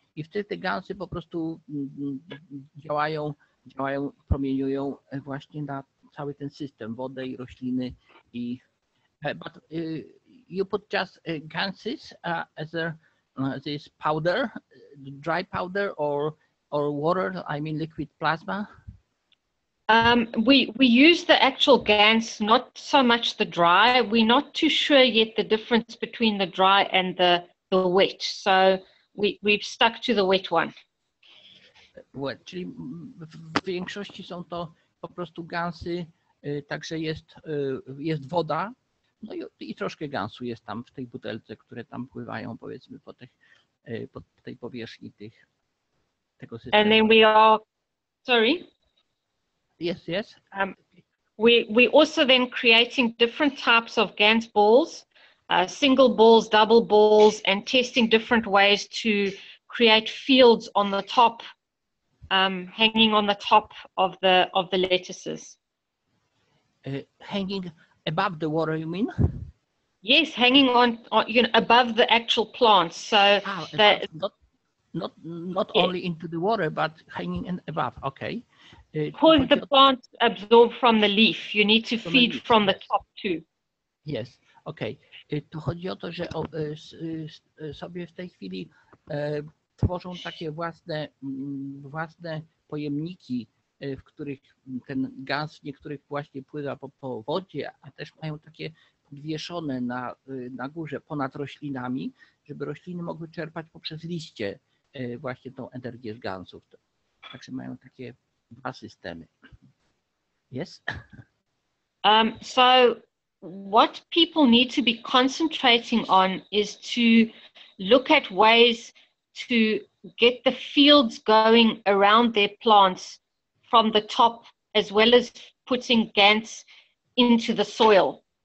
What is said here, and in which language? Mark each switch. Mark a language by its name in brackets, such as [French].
[Polish] I wtedy te gansy po prostu działają, promieniują właśnie na cały ten system, wodę i rośliny. [English] I, but you put just ganses as a this powder, dry powder or water, I mean liquid plasma? We use the actual GANs, not so much the dry. We're not too sure yet the difference between the dry and the wet. So we've stuck to the wet one. What? [Polish] Czyli w większości są to po prostu gansy, także jest woda, no i troszkę gansu jest tam w tej butelce, które tam pływają, powiedzmy, po tych po tej powierzchni tych tego systemu. [English] And then we are, sorry. Yes, yes. We also then creating different types of GANs balls, single balls, double balls, and testing different ways to create fields on the top. Hanging on the top of the lattices. Hanging above the water, you mean? Yes, hanging on you know, above the actual plants. So that not yeah. Only into the water, but hanging and above. Okay. Because the plants absorb from the leaf. You need to feed from the top too. Yes. Okay. [Polish] To chodzi o to, że sobie w tej chwili. Tworzą takie własne pojemniki, w których ten gaz w niektórych właśnie pływa po wodzie, a też mają takie podwieszone na górze, ponad roślinami, żeby rośliny mogły czerpać poprzez liście właśnie tą energię z gansów. Także mają takie dwa systemy. [English] Yes? So what people need to be concentrating on is to look at ways to get the fields going around their plants from the top, as well as putting GANs into the soil.